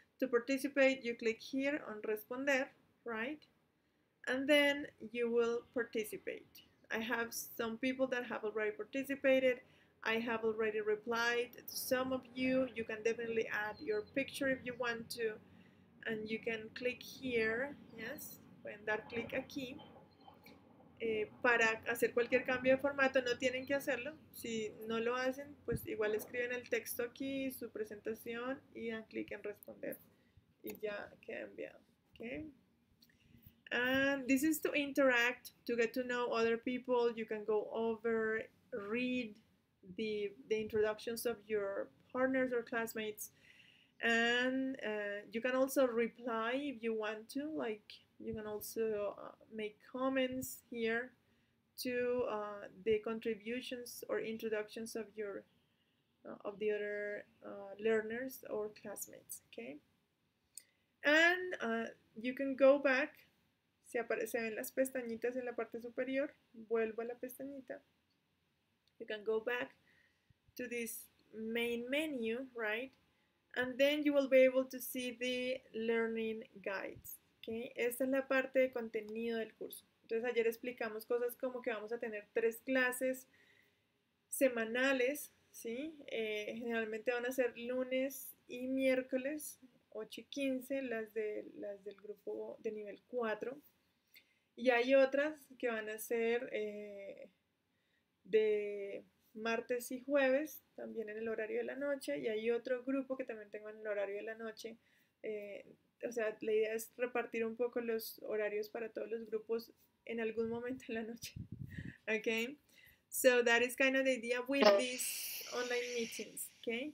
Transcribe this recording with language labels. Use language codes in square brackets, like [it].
[en] To participate, you click here on responder, right? And then you will participate. I have some people that have already participated. I have already replied to some of you. You can definitely add your picture if you want to. And you can click here, yes? [es] Pueden dar clic aquí para hacer cualquier cambio de formato. No tienen que hacerlo. Si no lo hacen, pues igual escriben el texto aquí, su presentación, y dan clic en responder. Y ya queda enviado. Okay. [en] And this is to interact, to get to know other people. You can go over, read the introductions of your partners or classmates. And you can also reply if you want to, like... You can also make comments here to the contributions or introductions of your of the other learners or classmates, okay? And you can go back. [es] Se aparecen las pestañitas en la parte superior. Vuelvo a la pestañita. [en] You can go back to this main menu, right? And then you will be able to see the learning guides. Okay. [es] Esta es la parte de contenido del curso. Entonces ayer explicamos cosas como que vamos a tener 3 clases semanales, ¿sí? Generalmente van a ser lunes y miércoles, 8 y 15, las del grupo de nivel 4. Y hay otras que van a ser de martes y jueves, también en el horario de la noche. Y hay otro grupo que también tengo en el horario de la noche. O sea, la idea es repartir un poco los horarios para todos los grupos en algún momento en la noche, [en] Okay. So that is kind of the idea with these online meetings, okay?